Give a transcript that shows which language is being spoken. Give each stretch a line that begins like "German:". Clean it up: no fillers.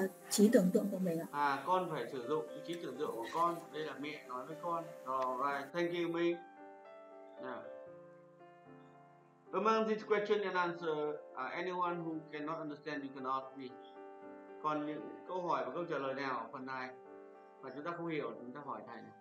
Vietnamese: trí tưởng tượng của mình ạ. À, con phải sử dụng trí tưởng tượng của con. Đây là mẹ nói với con.
English: Alright, thank you, me. Now, among these questions and answers, anyone who cannot understand, you can ask me.
Vietnamese: Còn những câu hỏi và câu trả lời nào ở phần này mà chúng ta không hiểu, chúng ta hỏi thầy.